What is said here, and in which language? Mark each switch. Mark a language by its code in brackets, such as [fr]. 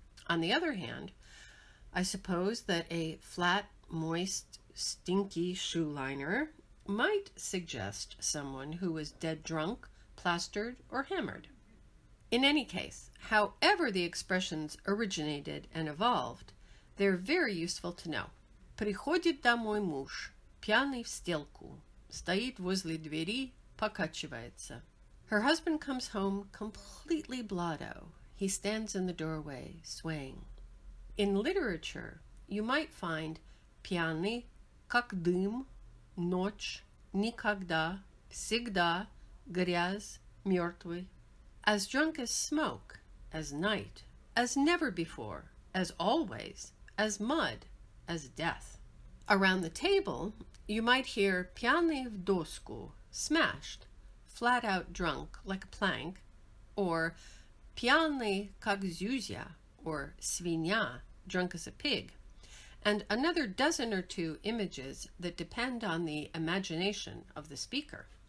[en] On the other hand, I suppose that a flat, moist, stinky shoe liner might suggest someone who was dead drunk, plastered, or hammered. In any case, however the expressions originated and evolved, they're very useful to know. [ru] Приходит домой муж, пьяный в стельку, стоит возле двери, покачивается. [en] Her husband comes home completely blotto. He stands in the doorway, swaying. In literature, you might find [ru] пьяный, как дым, ночь, никогда, всегда, грязь, мертвый. [en] As drunk as smoke, as night, as never before, as always, as mud, as death. Around the table, you might hear [ru] пьяный в доску, [en] smashed, flat out drunk like a plank, or [ru] пьяный как зюзя, [en] or [ru] свинья, [en] drunk as a pig, and another dozen or two images that depend on the imagination of the speaker.